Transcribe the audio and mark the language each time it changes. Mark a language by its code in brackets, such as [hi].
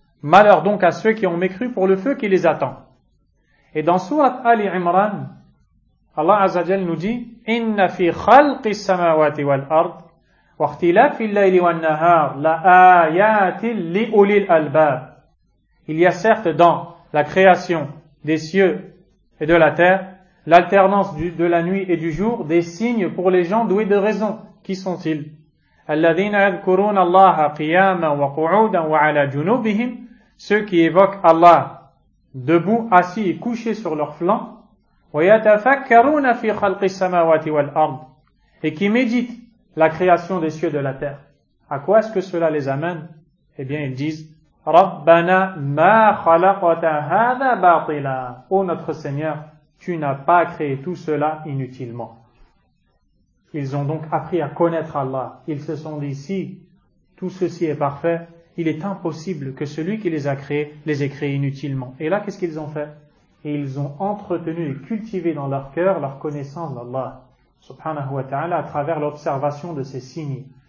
[fr] Malheur donc à ceux qui ont mécru pour le feu qui les attend. Et dans sourate Ali Imran, Allah Azza wa Jalla nous dit: [ar] إِنَّ فِي خَلْقِ السَّمَاوَاتِ وَالْأَرْضِ وَاخْتِلَافِ اللَّيْلِ وَالنَّهَارِ لَآيَاتٍ لِأُولِي الْأَلْبَابِ. [fr] Il y a certes dans la création des cieux et de la terre, l'alternance de la nuit et du jour, des signes pour les gens doués de raison. Qui sont-ils? [ar] الذين يذكرون الله قياما وقعودا وعلى جنوبهم. [fr] Ceux qui évoquent Allah debout, assis et couché sur leurs flancs. [ar] ويتفكرون في خلق السماوات والأرض. [fr] Et qui méditent la création des cieux et de la terre. À quoi est-ce que cela les amène? Eh bien, ils disent: [ar] ربنا ما خلقت هذا باطلا. [fr] Ô notre Seigneur, tu n'as pas créé tout cela inutilement. Ils ont donc appris à connaître Allah. Ils se sont dit: si tout ceci est parfait, il est impossible que celui qui les ait créés inutilement. Et là, qu'est-ce qu'ils ont fait? Et ils ont entretenu et cultivé dans leur cœur leur connaissance d'Allah, subhanahu wa ta'ala, à travers l'observation de ses signes.